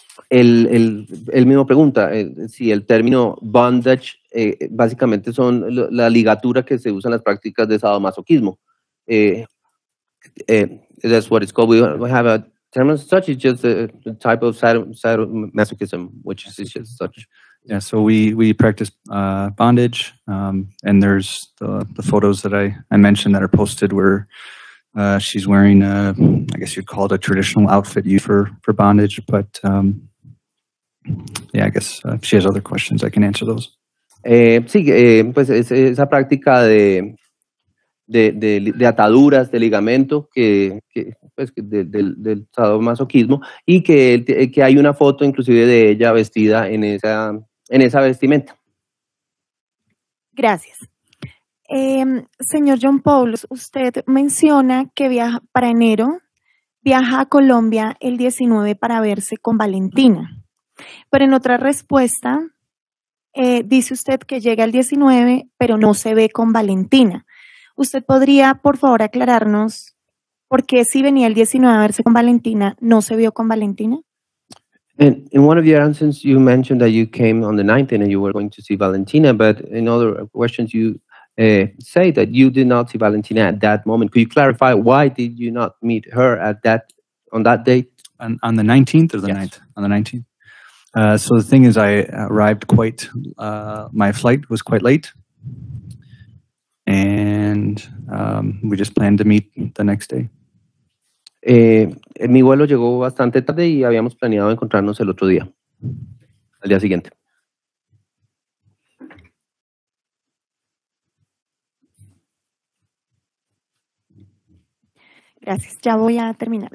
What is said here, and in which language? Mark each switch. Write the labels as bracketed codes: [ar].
[es] El mismo pregunta, si el término bondage básicamente son la ligatura que se usa en las prácticas de sadomasoquismo. [en] That's what it's called. We have a term as such. It's just a type of sadomasochism, which is just such. Yeah. So we practice bondage, and there's the photos that I mentioned that are posted where she's wearing a, I guess you'd call it a traditional outfit for bondage. But yeah, I guess if she has other questions, I can answer those. [es] Sí. Pues esa práctica de ataduras, de ligamento del sadomasoquismo y que hay una foto inclusive de ella vestida en esa vestimenta. Gracias. Señor John Paulus, usted menciona que viaja para enero, viaja a Colombia el 19 para verse con Valentina, pero en otra respuesta dice usted que llega el 19 pero no se ve con Valentina. ¿Usted podría, por favor, aclararnos por qué si venía el 19 a verse con Valentina, no se vio con Valentina? [en] In one of your answers, you mentioned that you came on the 19 and you were going to see Valentina, but in other questions, you say that you did not see Valentina at that moment. Could you clarify why did you not meet her at that, on that date? On the 19th or the 9th? On the 19th. So the thing is, I arrived quite, my flight was quite late. And we just planned to meet the next day. [es] Mi vuelo llegó bastante tarde y habíamos planeado encontrarnos el otro día, al día siguiente. Gracias, ya voy a terminar.